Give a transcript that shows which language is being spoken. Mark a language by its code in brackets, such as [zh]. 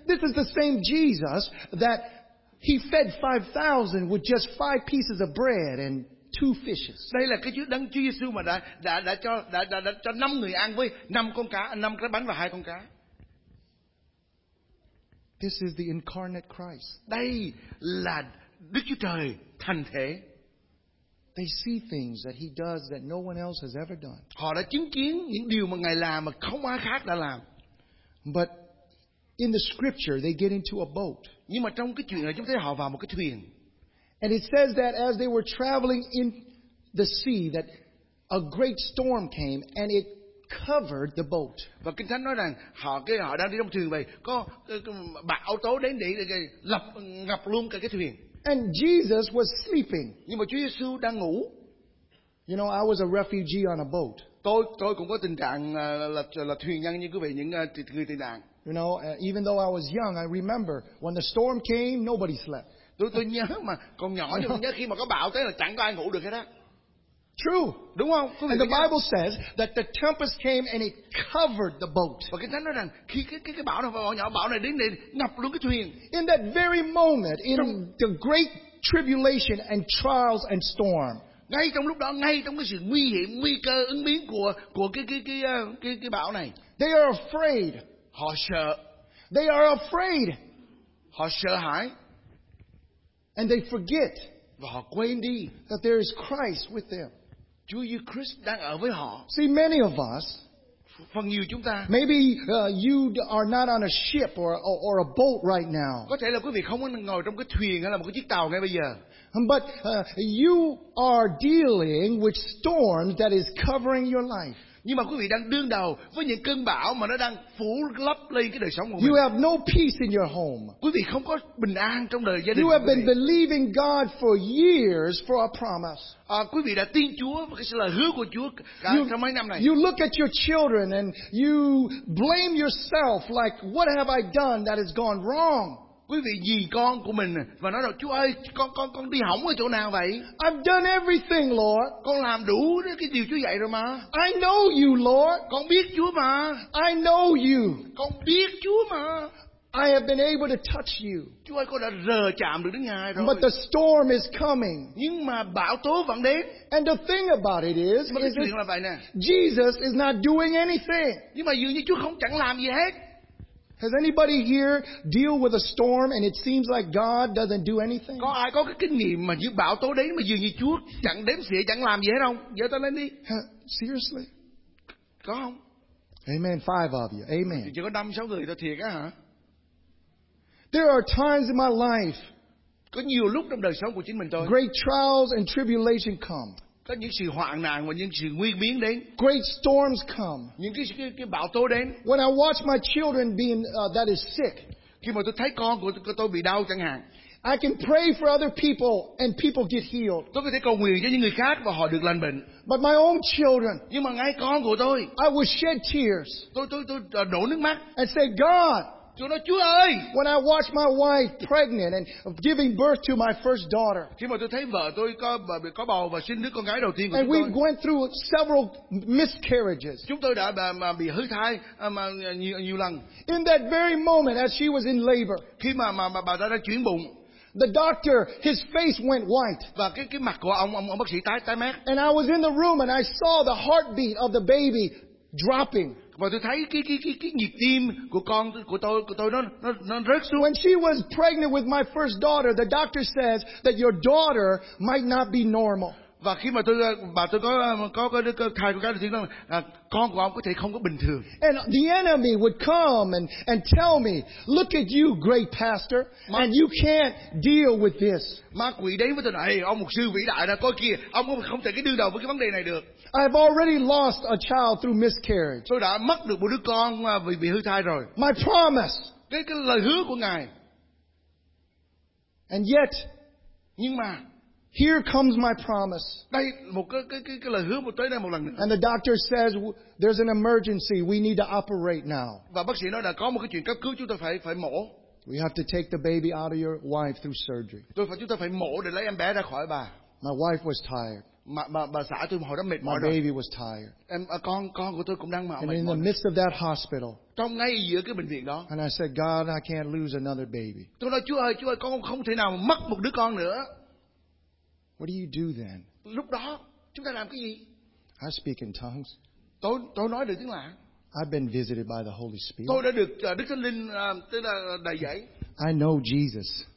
[en] This is the same Jesus that he fed 5,000 with just 5 pieces of bread and 2 fishes. [vi] Đây là cái đấng Chúa Giêsu mà đã cho 5 người ăn với 5 con cá, 5 cái bánh và 2 con cá. [en] This is the incarnate Christ. [vi] Đây là Đức Chúa Trời thành thể. [en] They see things that he does that no one else has ever done. [vi] Họ đã chứng kiến những điều mà Ngài làm mà không ai khác đã làm. [en] But in the scripture they get into a boat. [vi] Nhưng mà trong cái chuyện này chúng thấy họ vào một cái thuyền. [en] And it says that as they were traveling in the sea that a great storm came and it covered the boat. [vi] Và Kinh Thánh nói rằng họ đang đi trong thuyền vậy, có bão tố đến để lập ngập luôn cả cái thuyền. [en] And Jesus was sleeping. [vi] Nhưng mà Chúa Giêsu đang ngủ. [en] You know, I was a refugee on a boat. [vi] Tôi cũng có tình trạng là thuyền nhân như quý vị, những người tị nạn. [en] You know, even though I was young, I remember when the storm came, nobody slept. [vi] Tôi nhớ mà còn nhỏ, nhưng nhớ khi mà có bão tới là chẳng có ai ngủ được hết á. [en] True. [vi] Đúng không? [en] And the Bible says that the tempest came and it covered the boat. [vi] Và Kinh Thánh nói rằng khi cái bão này, bão nhỏ, bão này đến để ngập luôn cái thuyền. [en] In that very moment, in the great tribulation and trials and storm. [vi] Ngay trong lúc đó, ngay trong cái sự nguy hiểm, nguy cơ ứng biến của cái bão này. [en] They are afraid. [vi] Họ sợ. [en] They are afraid. [vi] Họ sợ hãi. [en] And they forget. [vi] Và họ quên đi [en] that there is Christ with them. [vi] Chúa Giêsu Christ đang ở với họ. [en] See, many of us, [vi] phần nhiều chúng ta. [en] Maybe you are not on a ship or a boat right now. [vi] Có thể là quý vị không có ngồi trong cái thuyền hay là một cái chiếc tàu ngay bây giờ. [en] But you are dealing with storms that is covering your life. [vi] Nhưng mà quý vị đang đương đầu với những cơn bão mà nó đang phủ lấp lên cái đời sống của mình. [en] You have no peace in your home. [vi] Quý vị không có bình an trong đời gia đình. [en] You have been believing God for years for a promise. [vi] Quý vị đã tin Chúa và cái lời hứa của Chúa cả trong mấy năm này. [en] You look at your children and you blame yourself like, what have I done that has gone wrong? [vi] Quý vị nhìn con của mình và nói rằng, Chúa ơi, con đi hỏng ở chỗ nào vậy? [en] I've done everything, Lord. [vi] Con làm đủ cái điều Chúa dạy rồi mà. [en] I know you, Lord. [vi] Con biết Chúa mà. [en] I know you. [vi] Con biết Chúa mà. [en] I have been able to touch you. [vi] Chúa ơi, con đã rờ chạm được đến Ngài rồi. [en] But the storm is coming. [vi] Nhưng mà bão tố vẫn đến. [en] And the thing about it is, [vi] mà cái chuyện là vậy nè. [en] Jesus is not doing anything. [vi] Nhưng mà dường như Chúa không chẳng làm gì hết. [en] Has anybody here deal with a storm and it seems like God doesn't do anything? [vi] Có ai có cái kinh nghiệm mà như bão tố đến mà dường như Chúa chẳng đếm xỉa chẳng làm gì hết không? Giơ tay lên đi. [en] Seriously? [vi] Có không? [en] Amen. Five of you. Amen. [vi] Chỉ có 5-6 người thôi thiệt á hả? [en] There are times in my life. [vi] Có nhiều lúc trong đời sống của chính mình tôi. [en] Great trials and tribulation come. [vi] Có những sự hoạn nạn và những sự nguy biến đến. [en] Great storms come. [vi] Những cái bão tố đến. [en] When I watch my children being that is sick. [vi] Khi mà tôi thấy con của tôi bị đau chẳng hạn. [en] I can pray for other people and people get healed. [vi] Tôi có thể cầu nguyện cho những người khác và họ được lành bệnh. [en] But my own children. [vi] Nhưng mà ngay con của tôi. [en] I will shed tears. [vi] Tôi đổ nước mắt. [en] And say, God. [vi] Tôi nói, Chúa ơi. [en] When I watch my wife pregnant and giving birth to my first daughter. [vi] Khi mà tôi thấy vợ tôi có bầu và sinh đứa con gái đầu tiên của [en] and [vi] tôi. [en] And we went through several miscarriages. [vi] Chúng tôi đã bị hư thai mà nhiều lần. [en] In that very moment as she was in labor. [vi] Khi mà bà ta đã chuyển bụng. [en] The doctor, his face went white. [vi] Và cái mặt của ông bác sĩ tái mét. [en] And I was in the room and I saw the heartbeat of the baby dropping. [vi] Và tôi thấy cái nhịp tim của con của tôi nó rớt xuống. [en] When she was pregnant with my first daughter, the doctor says that your daughter might not be normal. [vi] Và khi mà tôi có đứa thai của cái đứa con của ông có thể không có bình thường. [en] And the enemy would come and tell me, look at you, great pastor, and you can't deal with this. [vi] Ma quỷ đến với tôi nói, ông mục sư vĩ đại nè, coi kìa, ông không thể cái đương đầu với cái vấn đề này được. [en] I've already lost a child through miscarriage. [vi] Tôi đã mất được một đứa con vì bị hư thai rồi. [en] My promise. [vi] Cái lời hứa của Ngài. [en] And yet, [vi] nhưng mà, [en] here comes my promise. [vi] Đây một cái lời hứa của tôi đây một lần nữa. [en] And the doctor says there's an emergency. We need to operate now. [vi] Và bác sĩ nói là có một cái chuyện cấp cứu, chúng ta phải mổ. [en] We have to take the baby out of your wife through surgery. [vi] Chúng ta phải mổ để lấy em bé ra khỏi bà. [en] My wife was tired. [vi] Bà xã tôi hồi đó mệt mỏi. [en] My baby was tired. [vi] Con của tôi cũng đang mệt [en] mỏi. In the midst of that hospital. [vi] Trong ngay giữa cái bệnh viện đó. [en] And I said, God, I can't lose another baby. [vi] Tôi nói, Chúa ơi, con không thể nào mất một đứa con nữa. [en] What do you do then? [vi] Lúc đó, chúng ta làm cái gì? [en] I speak in tongues. [vi] Tôi nói được tiếng lạ. [en] I've been visited by the Holy Spirit. [vi] Tôi đã được Đức Thánh Linh tức là đầy dẫy. [en] I know Jesus.